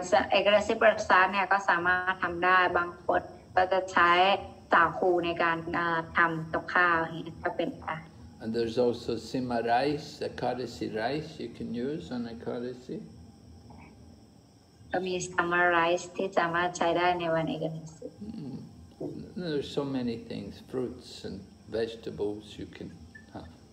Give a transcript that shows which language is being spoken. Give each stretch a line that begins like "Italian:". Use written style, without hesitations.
Thai: เอกราชีประสาทเนี่ยก็สามารถทำได้บางคนก็จะใช้สาคูในการทำตกข้าวเนี่ยก็เป็นได้
English: And there's also sima rice, Ekadasi rice you can use on Ekadasi.
Thai: ก็มีสามารถ rice ที่สามารถใช้ได้ในวันเอกราชี
English: There's so many things, fruits and vegetables you can have.